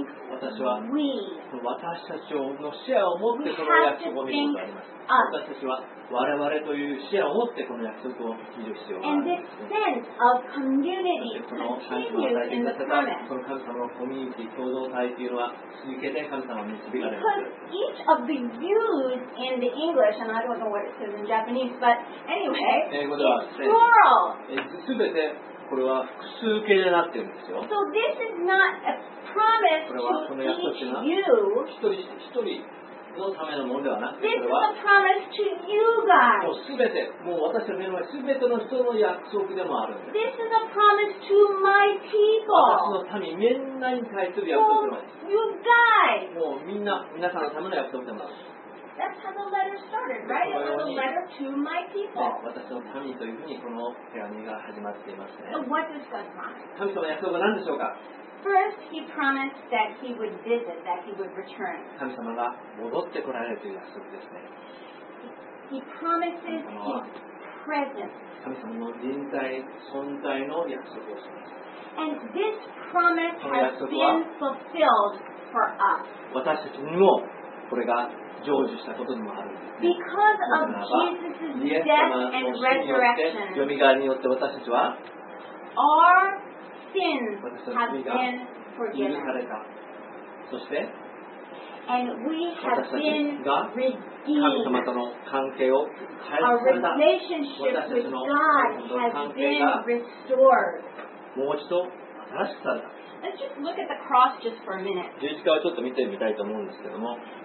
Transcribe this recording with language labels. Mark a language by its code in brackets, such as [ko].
[ja] 私は私たちの視野を持ってこの約束を見るとあります。私たちは我々という視野を持ってこの約束を見る必要があります。そしてこの神様が与えてくださったこの神様のコミュニティ共同体というのは続けて神様に導かれます。 [en] Because each of the U's in the English, and I don't know what it says in Japanese, but anyway, it's plural. [ja] すべてこれは複数形になっているんですよ。 [en] So this is not a promise to each U. [ja] 一人一人のためのものではなくて、これは [en] This is a promise to you guys. [ja] もうすべて、もう私の目の前すべての人の約束でもあるんです。 [en] This is a promise to my people. [ja] 私の民みんなに対する約束でもあります。もうみんな、皆さんのための約束でもある。 [en] That's how the letter started, right? It was a letter to my people. [ja] 私の民というふうにこの手紙が始まっていますね。神様の約束は何でしょうか？ [en] First, he promised that he would visit, that he would return. [ja] 神様が戻ってこられるという約束ですね。 [en] He promises his presence. [ja] 神様の臨在、存在の約束をします。 [en] And this promise has been fulfilled for us. [ja] 私たちにもこれが成就したことにもあるんです、ね、 [en] Because of Jesus' death and resurrection, [ja] 蘇りによって私たちは [en] our sins have been forgiven. [ja] そして [en] and we have been redeemed. [ja] 神様との関係を回復された。 [en] Our relationship with God has been restored. [ja] もう一度新しくされた。 [en] Let's just look at the cross just for a minute. [ja] 十字架をちょっと見てみたいと思うんですけども。